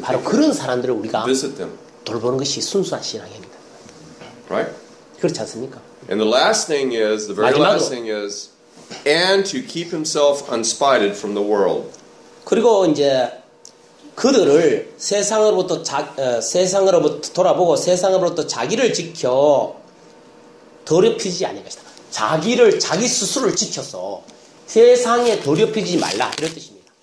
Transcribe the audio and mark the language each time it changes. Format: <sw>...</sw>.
<ko>바로 그런 사람들을 우리가 돌보는 것이 순수한 신앙입니다.</ko> <en>Right?</en> <ko>그렇지 않습니까?</ko> <en>And the last thing is, the very</en> <ko>마지막으로,</ko> <en>last thing is. And to keep himself unspotted from the world.</en> <ko>그리고 이제 그들을 세상으로부터 세상으로부터 돌아보고 세상으로부터 자기를 지켜 더럽히지 않을 것이다. 자기를 자기 스스로를 지켜서 세상에 더럽히지 말라 이런 뜻입니다.</ko>